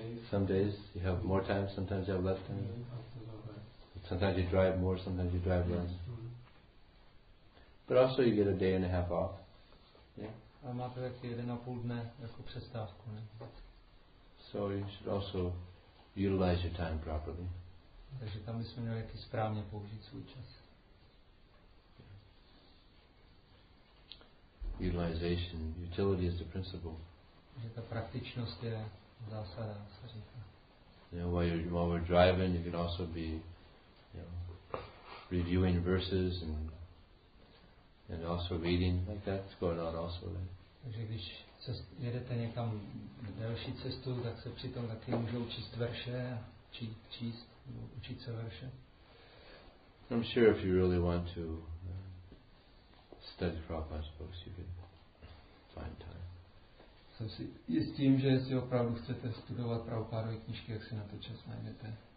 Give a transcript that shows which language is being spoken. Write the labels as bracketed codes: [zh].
[en] Some days you have more time, sometimes you have less time. Sometimes you drive more, sometimes you drive less. But also you get a day and a half off. [cs] A máte taky jeden a půl dne jako přestávku, ne? [en] So you should also utilize your time properly. [cs] Takže tam bychom měli jaký správně použít svůj čas. [en] Utilization, utility is the principle. [cs] Že ta praktičnost je zásada, se říká. [en] You know, while we're driving, you can also be, you know, reviewing verses and also reading like that. It's going on also. Right? [cs] Takže když jedete někam delší cestu, tak se přitom taky můžou číst verše a číst. Učit se verše. [en] I'm sure if you really want to study Prabhupada's books, you can find time. [cs] Jsem si jistý, že jestli opravdu chcete studovat Prabhupádovy knížky, jak si na to čas najdete.